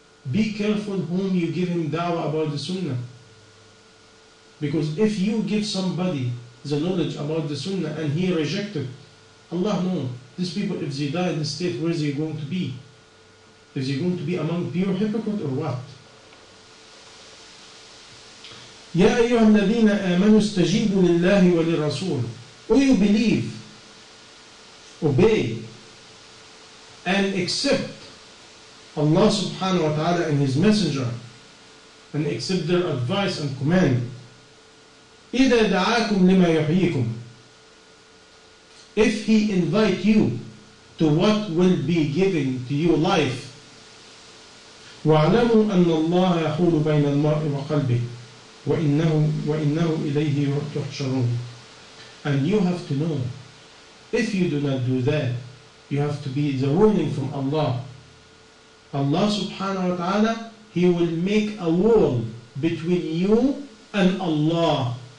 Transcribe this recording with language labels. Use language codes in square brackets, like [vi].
[en] Be careful whom you give him da'wah about the sunnah. Because if you give somebody the knowledge about the sunnah and he reject it, Allah know, these people, if they die in the state, where is he going to be? Is he going to be among pure hypocrites or what? [ar] يا أيها الذين آمنوا استجيبوا لله وللرسول. [en] Oh, you believe, obey, and accept Allah subhanahu wa ta'ala and His Messenger, and accept their advice and command. [ar] إذا دعاكم لما يحييكم. [en] If He invite you to what will be given to you life. [ar] واعلموا أن الله يحول بين المرء وقلبه. وَإِنَّهُ إِلَيْهِ تُحْشَرُونَ. [en] And you have to know, if you do not do that, you have to be the warning from Allah. Allah subhanahu wa ta'ala, He will make a wall between you and Allah.